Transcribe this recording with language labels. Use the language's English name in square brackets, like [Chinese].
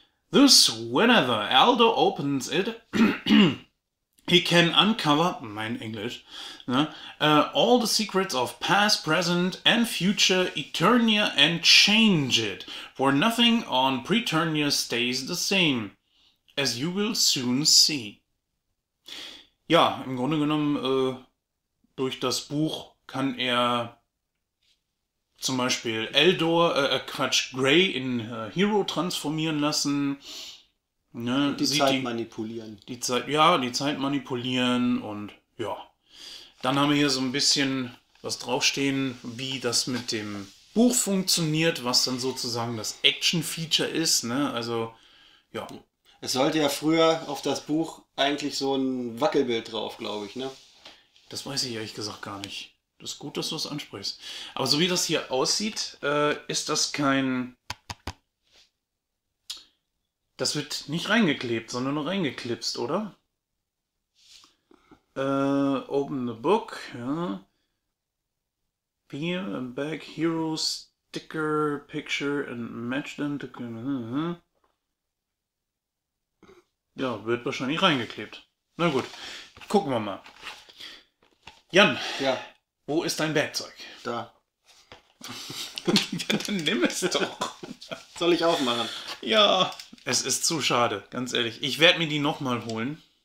[English] Thus, whenever Eldor opens it, He can uncover, [German] mein Englisch, ne, [English] all the secrets of past, present and future Eternia and change it. For nothing on Preternia stays the same, as you will soon see. [German] Ja, im Grunde genommen, durch das Buch kann er zum Beispiel Eldor, Grey in Hero transformieren lassen. Ne, die Zeit manipulieren. Die Zeit manipulieren und ja. Dann haben wir hier so ein bisschen was draufstehen, wie das mit dem Buch funktioniert, was dann sozusagen das Action-Feature ist. Ne? Also, ja. Es sollte ja früher auf das Buch eigentlich so ein Wackelbild drauf, glaube ich, ne? Das weiß ich ehrlich gesagt gar nicht. Das ist gut, dass du es ansprichst. Aber so wie das hier aussieht, ist das kein... Das wird nicht reingeklebt, sondern nur reingeklipst, oder? [English] Open the book. Ja. Beam and back hero sticker picture and match them to... [German] Ja, wird wahrscheinlich reingeklebt. Na gut, gucken wir mal. Jan, ja. Wo ist dein Werkzeug? Da. Ja, dann nimm es doch. Soll ich auch machen? Ja, es ist zu schade, ganz ehrlich. Ich werde mir die nochmal holen.